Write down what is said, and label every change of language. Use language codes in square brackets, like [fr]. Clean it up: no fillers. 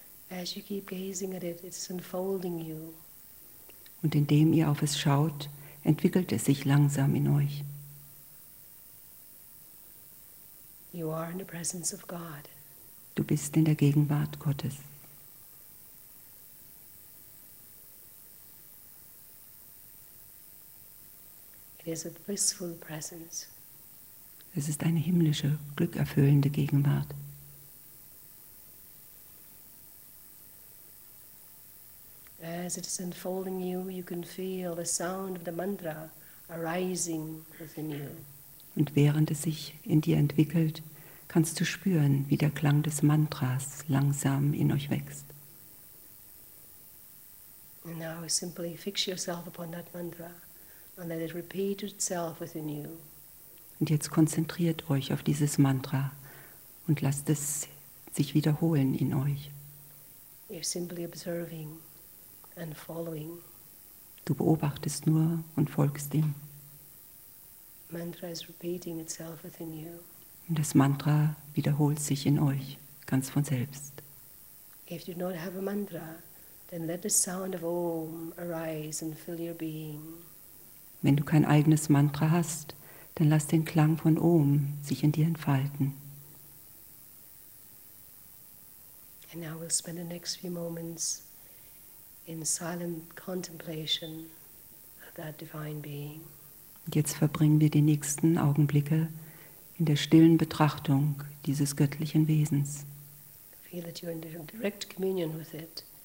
[en] As you keep gazing at it, it's unfolding you. [de] Und indem ihr auf es schaut, entwickelt es sich langsam in euch. [en] You are in the presence of God. [de] Du bist in der Gegenwart Gottes. [en] It is a blissful presence. [de] Es ist eine himmlische, glückerfüllende Gegenwart. [en] As it is unfolding you, you can feel the sound of the mantra arising within you. [de] Und während es sich in dir entwickelt, kannst du spüren, wie der Klang des Mantras langsam in euch wächst. [en] And now simply fix yourself upon that mantra and let it repeat itself within you. [de] Und jetzt konzentriert euch auf dieses Mantra und lasst es sich wiederholen in euch. [en] You're simply observing and following. [de] Du beobachtest nur und folgst ihm. [en] Mantra is repeating itself within you. [de] Und das Mantra wiederholt sich in euch ganz von selbst. [en] If you do not have a mantra, then let the sound of Om arise and fill your being. [de] Wenn du kein eigenes Mantra hast, dann lass den Klang von Om sich in dir entfalten. [en] And now we'll spend the next few moments in silent contemplation of that divine being. [de] Und jetzt verbringen wir die nächsten Augenblicke in der stillen Betrachtung dieses göttlichen Wesens. [en] Feel that you're in direct communion with it.